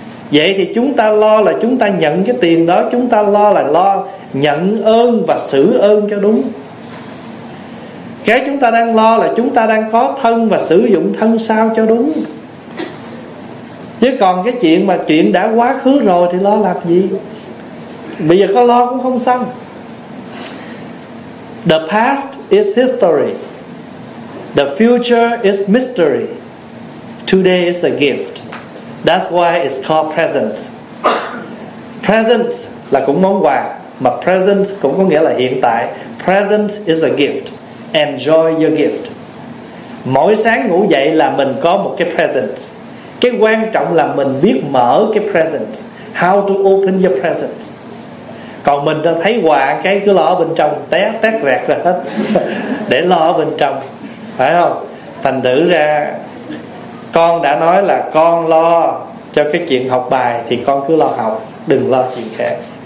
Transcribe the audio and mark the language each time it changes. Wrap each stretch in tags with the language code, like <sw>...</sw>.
<vi>Vậy thì chúng ta lo là chúng ta nhận cái tiền đó, chúng ta lo là lo nhận ơn và xử ơn cho đúng. Cái chúng ta đang lo là chúng ta đang có thân và sử dụng thân sao cho đúng. Chứ còn cái chuyện mà chuyện đã quá khứ rồi thì lo làm gì? Bây giờ có lo cũng không xong.</vi> <en>The past is history, the future is mystery, today is a gift. That's why it's called present.</en> <vi>Present là cũng món quà, mà present cũng có nghĩa là hiện tại.</vi> <en>Present is a gift. Enjoy your gift.</en> <vi>Mỗi sáng ngủ dậy là mình có một cái present. Cái quan trọng là mình biết mở cái present.</vi> <en>How to open your present.</en> <vi>Còn mình đã thấy quà cái cứ lo ở bên trong, tét rẹt rồi hết. Để lo ở bên trong, phải không? Thành thử ra con đã nói là con lo cho cái chuyện học bài thì con cứ lo học, đừng lo chuyện khác.</vi>